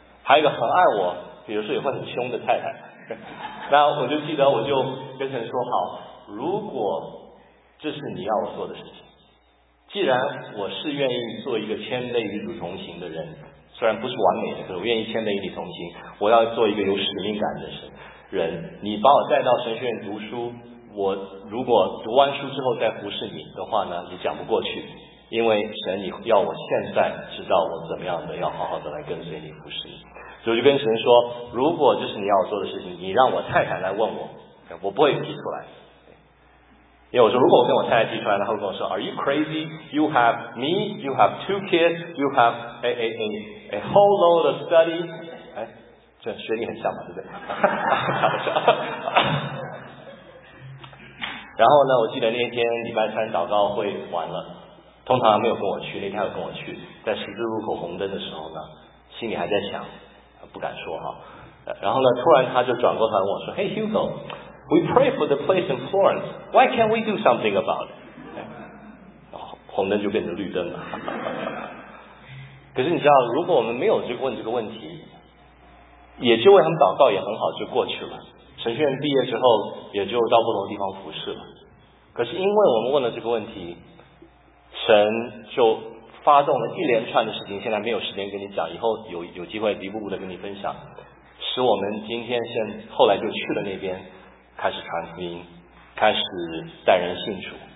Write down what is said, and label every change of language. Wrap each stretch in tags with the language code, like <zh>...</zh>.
<zh>还有一个很爱我，比如说也会很凶的太太。那我就记得，我就跟神说，好，如果这是你要我做的事情，既然我是愿意做一个谦卑与主同行的人，虽然不是完美的，可是我愿意谦卑与你同行，我要做一个有使命感的人，你把我带到神学院读书，我如果读完书之后再服侍你的话呢，你讲不过去。因为神你要我现在知道我怎么样的要好好的来跟随你服侍，所以就跟神说，如果这是你要做的事情，你让我太太来问我，我不会提出来。因为我说如果我跟我太太提出来，她会跟我说</zh> <en>Are you crazy? You have me, you have two kids, you have a whole load of study。</en> <zh>这学历很像嘛，对不对？然后呢，我记得那天礼拜三祷告会完了，通常没有跟我去，那天有跟我去，在十字路口红灯的时候呢，心里还在想，不敢说哈。然后呢，突然他就转过头问我说</zh> <en>：“Hey Hugo, we pray for the place in Florence. Why can't we do something about it?”</en> <zh>红灯就变成绿灯了。可是你知道，如果我们没有这个问这个问题，也就为他们祷告也很好，就过去了。神学院毕业之后，也就到不同地方服侍了。可是因为我们问了这个问题，神就发动了一连串的事情，现在没有时间跟你讲，以后有机会一步步的跟你分享，使我们今天现后来就去了那边，开始传福音，开始带人信主，</zh>